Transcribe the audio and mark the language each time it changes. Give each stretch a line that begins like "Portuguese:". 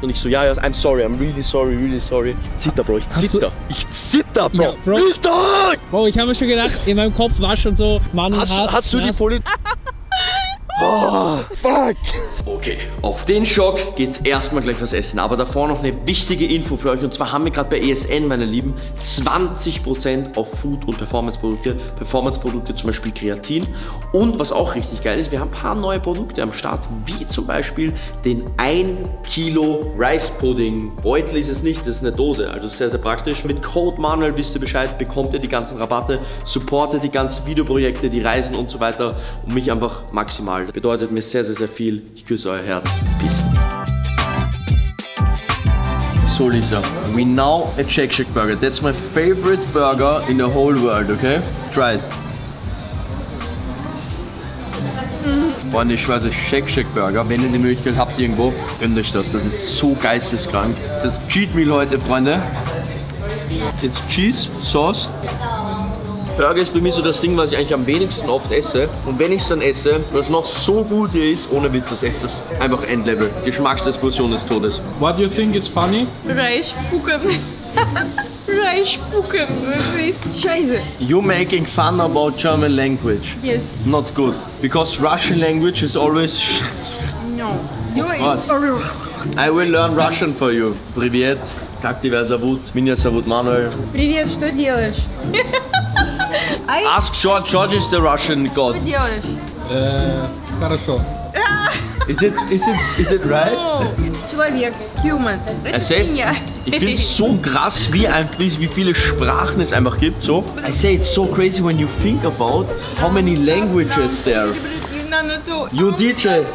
German: Und ich so, ja,
English: I'm sorry, I'm really sorry, really sorry.
German: Ich zitter, Bro. Ja, Bro. Bro, ich habe mir schon gedacht, in meinem Kopf war schon so, Mann, hast du die Polizei... Oh, fuck! Okay, auf den Schock geht's erstmal gleich was essen. Aber davor noch eine wichtige Info für euch. Und zwar haben wir gerade bei ESN, meine Lieben, 20% auf Food- und Performance-Produkte. Performance-Produkte zum Beispiel Kreatin. Und was auch richtig geil ist, wir haben ein paar neue Produkte am Start. Wie zum Beispiel den 1 Kilo Rice Pudding. Beutel ist es nicht, das ist eine Dose. Also sehr, sehr praktisch. Mit Code Manuel wisst ihr Bescheid, bekommt ihr die ganzen Rabatte. Supportet die ganzen Videoprojekte, die Reisen und so weiter. Und mich einfach maximal. Bedeutet mir sehr, sehr, sehr viel. Ich küsse euer Herz. Peace.
English: So, Lisa, we now a Shake Shack Burger. That's my favorite burger in the whole world, okay? Try it.
German: Freunde, ich weiß, Shake Shack Burger, wenn ihr die Möglichkeit habt irgendwo, gönnt euch das. Das ist so geisteskrank. Das ist Cheat Meal heute, Freunde. Jetzt Cheese, Sauce. Burger ist bei mir so das Ding, was ich eigentlich am wenigsten oft esse. Und wenn ich es dann esse, was noch so gut hier ist, ohne Witz, das ist einfach Endlevel. Geschmacksexplosion des Todes.
English: What do you think is funny?
German: Reisspucken. Reisspucken, wirklich. Scheiße.
English: You're making fun about German language. Yes. Not good. Because Russian language is always... No. You're in... I will learn Russian for you.
Russian: Привет. Как тебя зовут? Меня зовут Мануэль. Привет, что делаешь?
English: Ask George. George is the Russian god.
Russian: Что делаешь? Хорошо.
English: Is it right? No. Человек. Human. I say,
German: ich finde es so krass, wie viele Sprachen es einfach gibt. So.
English: I say, it's so crazy when you think about how many languages there. You DJ.